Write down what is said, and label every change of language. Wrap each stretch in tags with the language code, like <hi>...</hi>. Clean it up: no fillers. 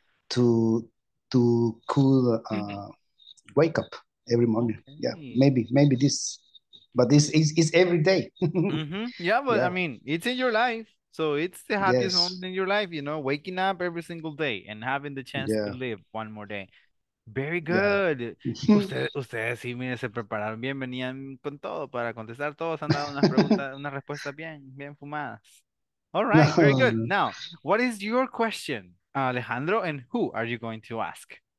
<en>to could wake up every morning. Okay. Yeah, maybe this, but this is every day. mm-hmm. Yeah, but yeah. I mean, it's in your life. So it's the happiest yes. moment in your life, you know, waking up every single day and having the chance yeah. to live one more day. Very good. Yeah.</en> <es>Ustedes sí, miren, se prepararon bien, venían con todo para contestar todos, han dado unas preguntas, unas respuestas bien fumadas.</es> <en>All right, no. Very good. Now, what is your question, Alejandro, and who are you going to ask?</en>